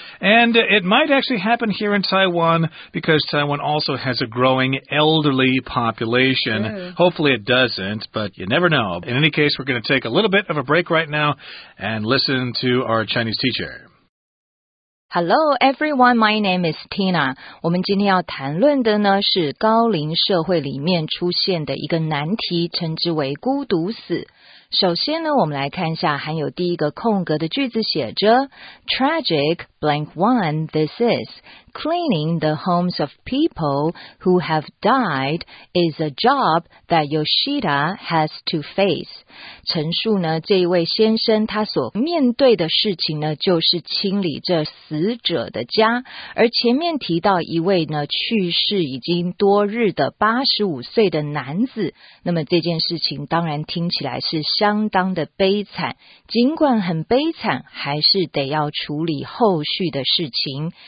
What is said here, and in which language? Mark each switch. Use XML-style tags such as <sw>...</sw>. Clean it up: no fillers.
<en>And it might actually happen here in Taiwan, because Taiwan also has a growing elderly population. True. Hopefully it doesn't, but you never know. In any case, we're going to take a little bit of a break right now and listen to our Chinese teacher. Hello, everyone. My name is Tina.</en> <zh>我们今天要谈论的呢是高龄社会里面出现的一个难题，称之为孤独死。首先呢，我们来看一下含有第一个空格的句子，写着</zh> <en>Tragic blank one this is. Cleaning the homes of people who have died is a job that Yoshida has to face.</en> <zh>陈述呢，这一位先生他所面对的事情呢，就是清理这死者的家。而前面提到一位呢，去世已经多日的85岁的男子，那么这件事情当然听起来是相当的悲惨，尽管很悲惨，还是得要处理后续的事情。</zh>